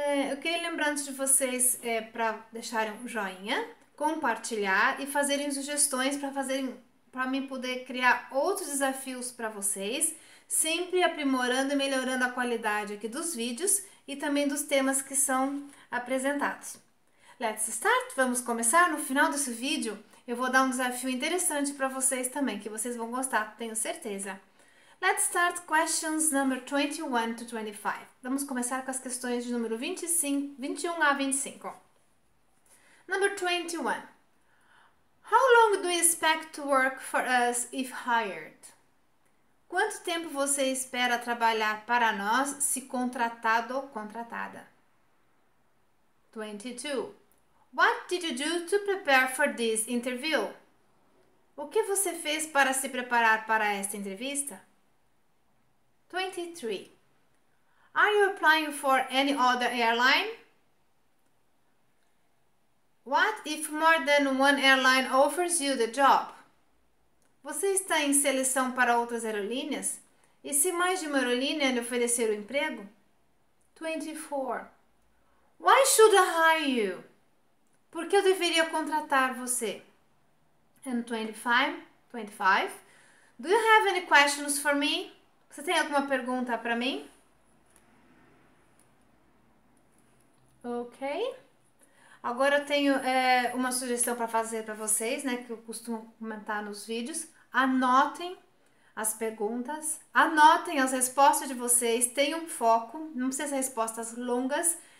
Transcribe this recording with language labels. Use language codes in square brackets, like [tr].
[pt] Eu queria lembrar antes de vocês para deixarem um joinha, compartilhar e fazerem sugestões para mim poder criar outros desafios para vocês, sempre aprimorando e melhorando a qualidade aqui dos vídeos e também dos temas que são apresentados. [en] Let's start! [pt] Vamos começar? No final desse vídeo, eu vou dar um desafio interessante para vocês também, que vocês vão gostar, tenho certeza. [en] Let's start questions number 21 to 25. [pt] Vamos começar com as questões de número 25, 21 a 25. [en] Number 21. How long do you expect to work for us if hired? [pt] Quanto tempo você espera trabalhar para nós se contratado ou contratada? [en] 22. What did you do to prepare for this interview? [pt] O que você fez para se preparar para esta entrevista? [en] 23. Are you applying for any other airline? What if more than one airline offers you the job? [pt] Você está em seleção para outras aerolíneas? E se mais de uma aerolínea lhe oferecer o emprego? 24. [en] Why should I hire you? [pt] Por que eu deveria contratar você? [en] And 25. Do you have any questions for me? [pt] Você tem alguma pergunta para mim? Ok. Agora eu tenho uma sugestão para fazer para vocês, né? Que eu costumo comentar nos vídeos. Anotem as perguntas, anotem as respostas de vocês, tenham foco, não precisa ser respostas longas.